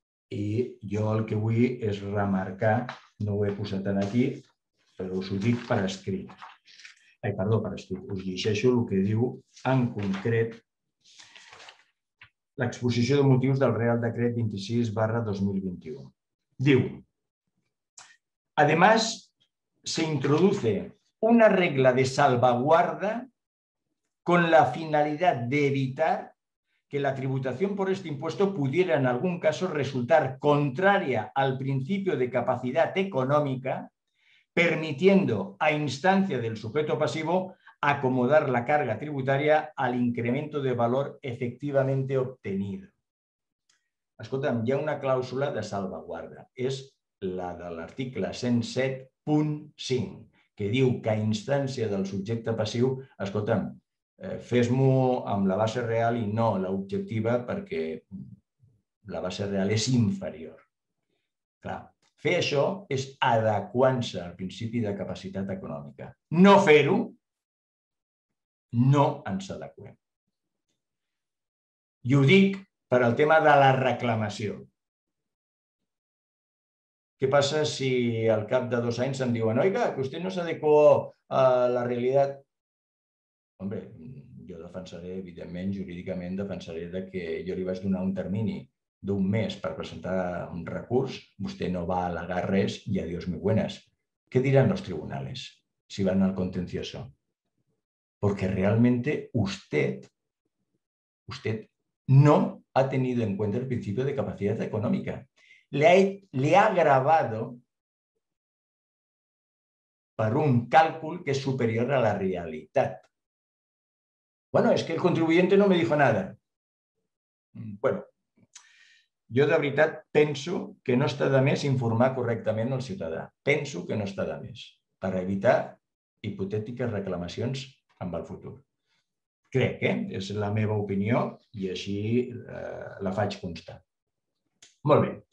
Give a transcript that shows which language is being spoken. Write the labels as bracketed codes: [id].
[ca] I jo el que vull és remarcar, no ho he posat en aquí, però us ho dic per escrit. Ai, perdó, per escrit. Us llegeixo el que diu en concret l'exposició de motius del Real Decret 26/2021. [es] Diu, además, se introduce una regla de salvaguarda con la finalidad de evitar que la tributación por este impuesto pudiera en algún caso resultar contraria al principio de capacidad económica, permitiendo a instancia del sujeto pasivo acomodar la carga tributaria al incremento de valor efectivamente obtenido. [ca] Escolta'm, hi ha una clàusula de salvaguarda. És la de l'article 107.5, que diu que a instància del subjecte passiu, escolta'm, fes-m'ho amb la base real i no l'objectiva perquè la base real és inferior. Clar, fer això és adequant-se al principi de capacitat econòmica. No fer-ho, no ens adequem. I ho dic Per al tema de la reclamació. Què passa si al cap de 2 anys em diuen oiga, que vostè no s'adequó a la realitat? Hombre, jo defensaré, evidentment, jurídicament defensaré de que jo li vaig donar un termini d'un mes per presentar un recurs, vostè no va al·legar res i [es] adiós muy buenas. [ca] Què diran els tribunals si van al contencioso? [es] Porque realmente usted no ha tenido en cuenta el principio de capacidad económica. Le ha agravado [ca] per un càlcul que és superior a la realitat. [es] Bueno, es que el contribuyente no me dijo nada. [ca] Bueno, jo de veritat penso que no està de més informar correctament el ciutadà. Penso que no està de més per evitar hipotètiques reclamacions amb el futur. Crec, és la meva opinió i així la faig constar. Molt bé.